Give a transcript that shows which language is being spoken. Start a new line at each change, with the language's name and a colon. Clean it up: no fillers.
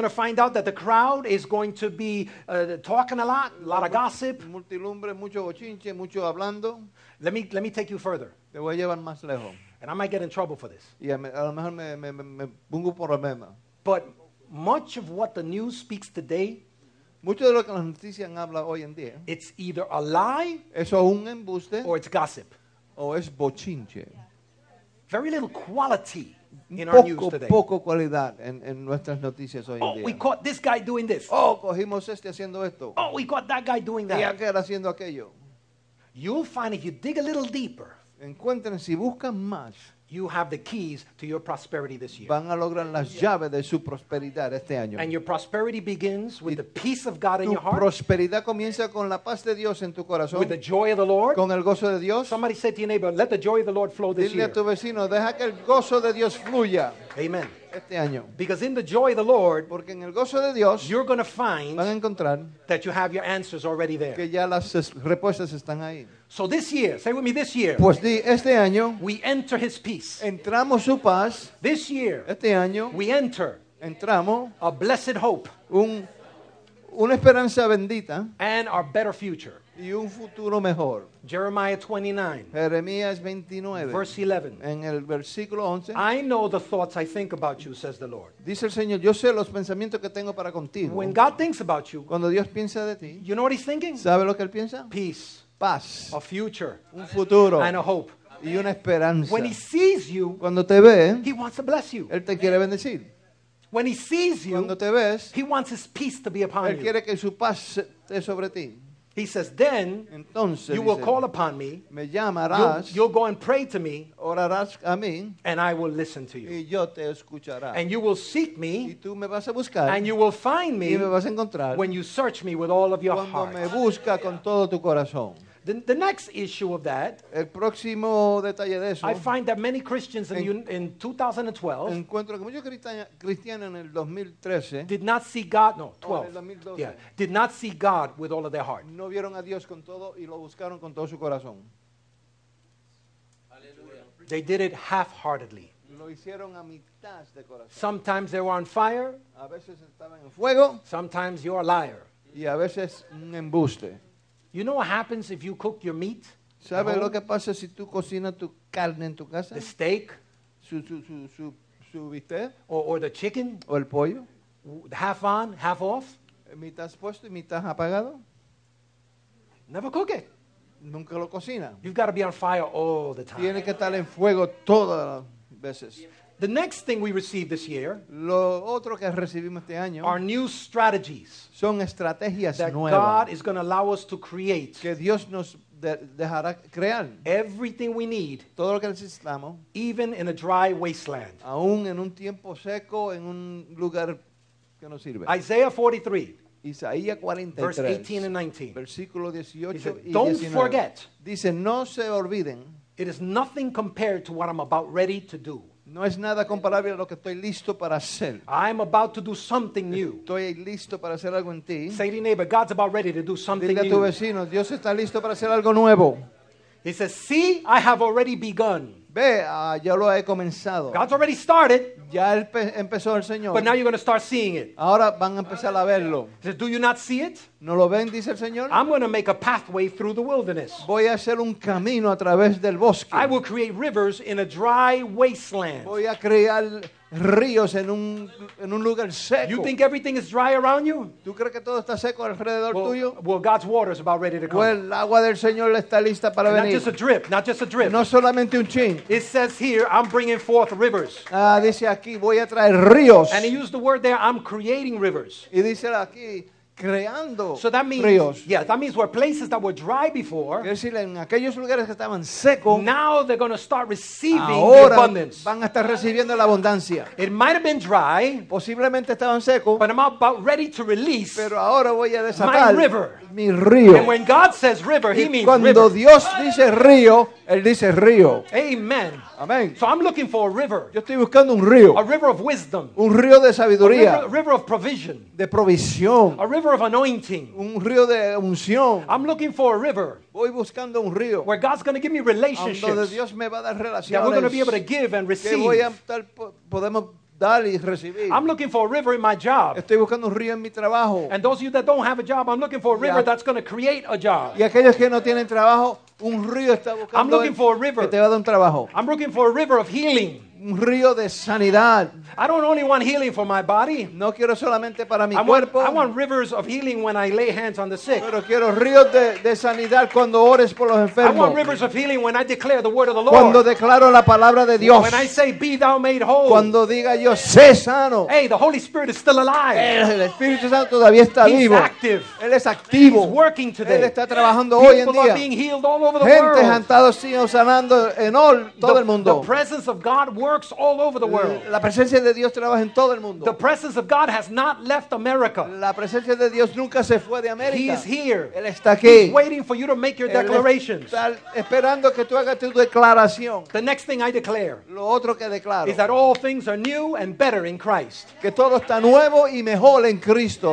English: going to find out that the crowd is going to be talking a lot of gossip. Let me take you further.
Spanish: Te voy a llevar más lejos.
English: And I might get in trouble for this.
Spanish: Y a lo mejor me pongo problema.
English: But much of what the news speaks today.
Spanish: Mucho de lo que las noticias hablan hoy en día.
English: It's either a lie.
Spanish: Eso es un embuste.
English: Or it's gossip.
Spanish: O es bochinche.
English: Very little quality in
Spanish: poco,
English: our news today.
Spanish: Poco cualidad en nuestras noticias hoy en día.
English: Oh, we caught this guy doing this.
Spanish: Oh, cogimos este haciendo esto.
English: Oh, we caught that guy doing that.
Spanish: Y aquel haciendo aquello.
English: You'll find if you dig a little deeper.
Spanish: Encuentren si buscan más.
English: You have the keys to your prosperity this year.
Spanish: Van a lograr las llaves de su prosperidad este año.
English: And your prosperity begins with the peace of God in your heart.
Spanish: Tu prosperidad comienza con la paz de Dios en tu corazón.
English: With the joy of the Lord.
Spanish: Con el gozo de Dios.
English: Somebody say to your neighbor, let the joy of the Lord flow this year.
Spanish: Dile a tu vecino, deja que el gozo de Dios fluya.
English: Amen.
Spanish: Este año.
English: Because in the joy of the Lord,
Spanish: porque en el gozo de Dios,
English: you're going to find
Spanish: van a encontrar
English: that you have your answers already there.
Spanish: Que ya las respuestas están ahí.
English: So this year, say with me, this year,
Spanish: pues di, este año,
English: we enter his peace.
Spanish: Entramos su paz.
English: This year,
Spanish: este año,
English: we enter
Spanish: entramos
English: a blessed hope.
Spanish: Una esperanza bendita.
English: And our better future.
Spanish: Y un futuro mejor.
English: Jeremiah 29.
Spanish: Jeremías 29.
English: Verse 11.
Spanish: En el versículo 11.
English: I know the thoughts I think about you, says the Lord.
Spanish: Dice el Señor, yo sé los pensamientos que tengo para contigo.
English: When God thinks about you,
Spanish: cuando Dios piensa de ti,
English: you know what he's thinking?
Spanish: ¿Sabe lo que él piensa?
English: Peace.
Spanish: Paz.
English: A future.
Spanish: Un futuro.
English: And a hope.
Spanish: Y una esperanza.
English: When he sees you,
Spanish: cuando te ve,
English: he wants to bless you.
Spanish: Él te quiere bendecir.
English: When he sees you,
Spanish: cuando te ves,
English: he wants his peace to be upon
Spanish: él
English: you.
Spanish: Quiere que su paz esté sobre ti.
English: He says, then
Spanish: entonces,
English: you will
Spanish: dice,
English: call upon me.
Spanish: Me llamarás,
English: you'll go and pray to me.
Spanish: Orarás a mí,
English: and I will listen to you.
Spanish: Y yo te escuchará.
English: And you will seek me.
Spanish: Y tú me vas a buscar,
English: and you will find me,
Spanish: y me vas a encontrar,
English: when you search me with all of your
Spanish: cuando
English: heart.
Spanish: Me busca con todo tu corazón.
English: The next issue of that,
Spanish: el próximo detalle de eso,
English: I find that many Christians in 2012,
Spanish: encuentro que muchos cristianos en el 2013
English: did not see God, no, 12,
Spanish: en el 2012,
English: yeah, did not see God with all of their heart.
Spanish: No vieron a Dios con todo y lo buscaron con todo su corazón.
English: Hallelujah. They did it half-heartedly.
Spanish: Lo hicieron a mitad de corazón.
English: Sometimes they were on fire.
Spanish: A veces estaban en fuego.
English: Sometimes you're a liar.
Spanish: Y a veces un embuste.
English: You know what happens if you cook your meat?
Spanish: ¿Sabe lo que pasa si tú cocinas tu carne en tu casa?
English: The steak?
Spanish: Su bistec?
English: Or the chicken?
Spanish: O el pollo?
English: Half on, half off?
Spanish: ¿Mitad puesto y mitad apagado?
English: Never cook it.
Spanish: Nunca lo cocina.
English: You've got to be on fire all the time.
Spanish: Tiene que estar en fuego todas las veces.
English: The next thing we receive this year,
Spanish: lo otro que recibimos este año,
English: are new strategies,
Spanish: son estrategias
English: that
Spanish: nuevas,
English: God is going to allow us to create,
Spanish: que Dios nos dejará crear,
English: everything we need,
Spanish: todo lo que necesitamos,
English: even in a dry wasteland,
Spanish: aún en un tiempo seco, en un lugar que no sirve.
English: Isaiah 43,
Spanish: Isaías 43,
English: verse 18 and 19,
Spanish: versículo 18
English: said,
Spanish: y
English: 19, don't forget,
Spanish: dice, no se olviden,
English: it is nothing compared to what I'm about ready to do.
Spanish: No es nada comparable a lo que estoy listo para hacer.
English: I'm about to do something new.
Spanish: Estoy listo para hacer algo en ti.
English: Say to your neighbor, God's about ready to do something new.
Spanish: Dile a tu vecino, Dios está listo para hacer algo nuevo.
English: He says, see, I have already begun.
Spanish: Ve, ya lo he comenzado.
English: God's already started.
Spanish: Ya empezó el Señor.
English: But now you're going to start seeing it.
Spanish: Ahora van a empezar a verlo.
English: He says, do you not see it?
Spanish: ¿No lo ven? Dice el Señor.
English: I'm going to make a pathway through the wilderness.
Spanish: Voy a hacer un camino a través del bosque.
English: I will create rivers in a dry wasteland.
Spanish: Voy a crear ríos en un lugar seco.
English: You think everything is dry around you?
Spanish: ¿Tú crees que todo está seco alrededor tuyo?
English: Well, God's water is about ready to come.
Spanish: Well, el agua del Señor está lista para
English: and
Spanish: venir.
English: Not just a drip, not just a drip.
Spanish: No solamente un chin.
English: It says here, I'm bringing forth rivers.
Spanish: Dice aquí, voy a traer ríos.
English: And he used the word there, I'm creating rivers.
Spanish: Y dice aquí, creando
English: so that means,
Spanish: ríos.
English: Yeah, that means where places that were dry before,
Spanish: quiero decir, en aquellos lugares que estaban seco,
English: now they're going to start receiving
Spanish: ahora
English: the abundance.
Spanish: Van a estar recibiendo la abundancia.
English: It might have been dry,
Spanish: posiblemente estaban seco,
English: but I'm about ready to release,
Spanish: pero ahora voy a desatar
English: my river.
Spanish: Mi río.
English: And when God says river, he means
Spanish: cuando
English: river.
Spanish: Cuando Dios dice río, él dice río.
English: Amen.
Spanish: Amen.
English: So I'm looking for a river.
Spanish: Yo estoy buscando un río.
English: A river of wisdom.
Spanish: Un río de sabiduría.
English: A river of provision.
Spanish: De provisión.
English: A river of anointing.
Spanish: Un río de unción.
English: I'm looking for a river.
Spanish: Voy buscando un río.
English: Where God's going to give me relationships.
Spanish: Donde Dios me va a dar relaciones.
English: That we're going to be able to give and receive.
Spanish: Que voy a estar, podemos dar y recibir.
English: I'm looking for a river in my job.
Spanish: Estoy buscando un río en mi trabajo.
English: And those of you that don't have a job, I'm looking for a river that's going to create a job.
Spanish: Y aquellos que no tienen trabajo, un río está buscando.
English: I'm looking for a river.
Spanish: Que te va a dar un trabajo.
English: I'm looking for a river of healing.
Spanish: Un río de sanidad.
English: I don't only want healing for my body.
Spanish: No quiero solamente para mi cuerpo.
English: I want rivers of healing when I lay hands on the sick.
Spanish: Pero quiero ríos de sanidad cuando ores por los enfermos.
English: I want rivers of healing when I declare the word of the Lord.
Spanish: Cuando declaro la palabra de Dios.
English: When I say, be thou made whole.
Spanish: Cuando diga yo, sé sano.
English: Hey, the Holy Spirit is still alive.
Spanish: El Espíritu Santo todavía está
English: He's
Spanish: vivo.
English: Active.
Spanish: Él es activo.
English: He's working today.
Spanish: Él está trabajando
English: People
Spanish: hoy en día.
English: People are being healed all over the
Spanish: Gente
English: world.
Spanish: Gente han estado sanando en
English: all,
Spanish: todo
English: the,
Spanish: el mundo.
English: The presence of God works. All over the world.
Spanish: La presencia de Dios trabaja en todo el mundo.
English: The presence of God has not left America.
Spanish: La presencia de Dios nunca se fue de América.
English: He is here.
Spanish: Él está aquí.
English: He's waiting for you to make your
Spanish: Él
English: declarations.
Spanish: Está esperando que tú hagas tu declaración.
English: The next thing I declare.
Spanish: Lo otro que declaro.
English: Is that all things are new and better in Christ.
Spanish: Que todo está nuevo y mejor en Cristo.